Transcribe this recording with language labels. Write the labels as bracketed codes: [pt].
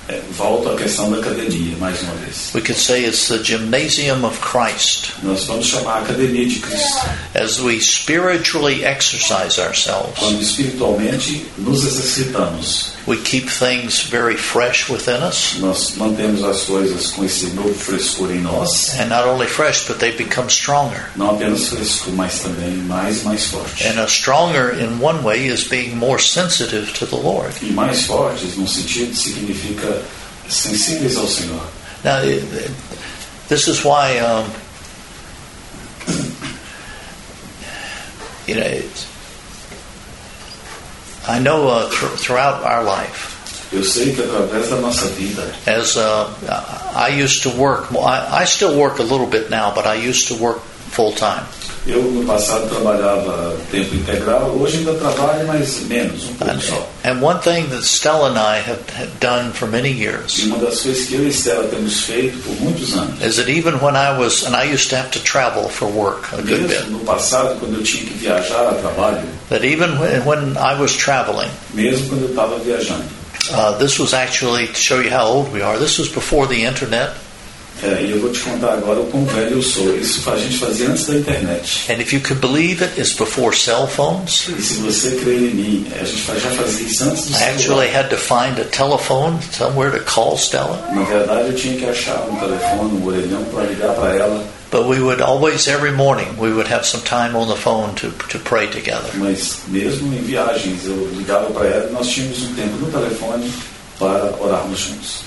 [pt] Volto à questão da academia mais uma vez. [en] We could say it's the gymnasium of Christ. [pt] Nós vamos chamar a academia de Cristo. [en] As we spiritually exercise ourselves. [pt] Quando espiritualmente nos exercitamos. [en] We keep things very fresh within us. [pt] Nós mantemos as coisas com esse novo frescor em nós. [en] And not only fresh, but they become stronger. [pt] Não apenas fresco, mas também mais forte. [en] And a stronger in one way is being more sensitive to the Lord. [pt] E mais fortes no sentido significa sensíveis ao Senhor. [en] Now, this is why you know. I know throughout our life. [pt] Eu sei que através da nossa vida. [en] As I used to work, I still work a little bit now, but I used to work full time. [pt] Eu no passado trabalhava tempo integral. Hoje ainda trabalho, mas menos pouco só. [en] And one thing that Stella and I have done for many years. [pt] E uma das coisas que eu e Stella temos feito por muitos anos. [en] Is that even when I was, and I used to have to travel for work a good bit. [pt] No passado, quando eu tinha que viajar a trabalho. [en] That even when I was traveling, [pt] mesmo quando eu estava viajando, [en] this was actually to show you how old we are. This was before the internet. [pt] É, e eu vou te contar agora o quão velho eu sou. Isso a gente fazia antes da internet. [en] And if you could believe it, it's before cell phones. [pt] E se você crê em mim, a gente já fazia isso antes do celular. [en] I actually had to find a telephone somewhere to call Stella. [pt] Na verdade, eu tinha que achar um telefone, um orelhão para ligar para ela. [en] But we would always, every morning, we would have some time on the phone to pray together. [pt] Mas mesmo em viagens, eu ligava para ela, nós tínhamos tempo no telefone para orarmos juntos.